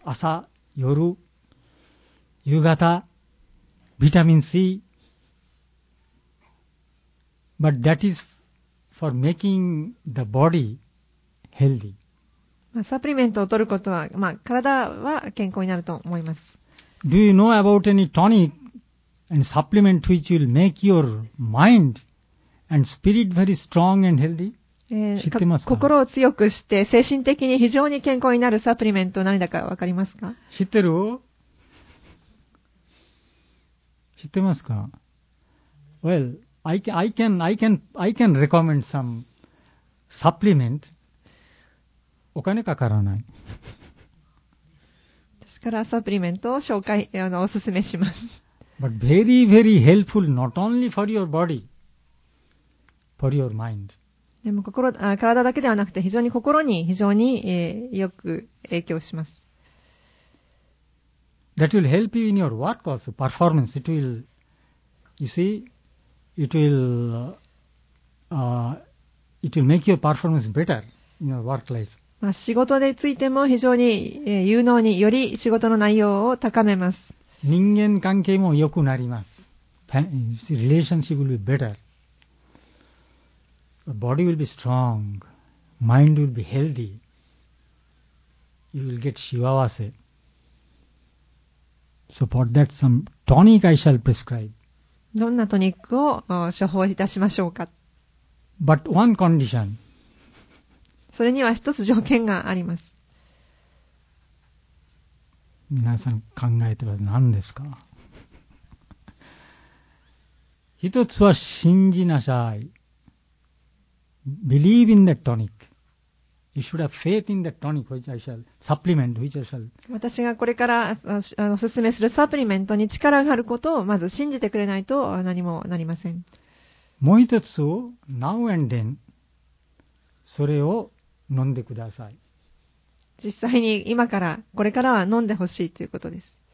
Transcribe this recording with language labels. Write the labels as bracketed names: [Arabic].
[Japanese] 朝、夜、夕方、ビタミン C. [English] But that is for making the body healthy. [Japanese] サプリメントを取ることは、まあ、体は健康になると思います。 [English] Do you know about any tonic and supplement which will make your mind and spirit very strong and healthy? [Japanese] 知ってますか？心を強くして精神的に非常に健康になるサプリメント何だか分かりますか？知ってる？知ってますか？ [English] Well, I can recommend some supplement. [Japanese] お金かからない。ですからサプリメントを紹介、おすすめします。 [English] But very, very helpful not only for your body, for your mind. [Japanese] でも体だけではなくて非常に心に非常に、よく影響します。 [English] That will help you in your work also, performance. It will, you see, it will make your performance better in your work life. [Japanese] まあ、仕事についても非常に有能により仕事の内容を高めます。人間関係も良くなります。 [English] Relationship will be better. Body will be strong. Mind will be healthy. You will get 幸せ。 So for that some tonic I shall prescribe. [Japanese] どんなトニックを処方いたしましょうか。 [English] But one condition. [Japanese] それには一つ条件があります。皆さん考えてます。何ですか？一つは信じなさい。 [English] Believe in the tonic. You should have faith in the tonic which I shall supplement which I shall [Japanese] 私がこれからおすすめするサプリメントに力があることをまず信じてくれないと何もなりません。もう一つを [English] Now and then [Japanese] それを飲んでください。実際に今からこれからは飲んでほしいということです。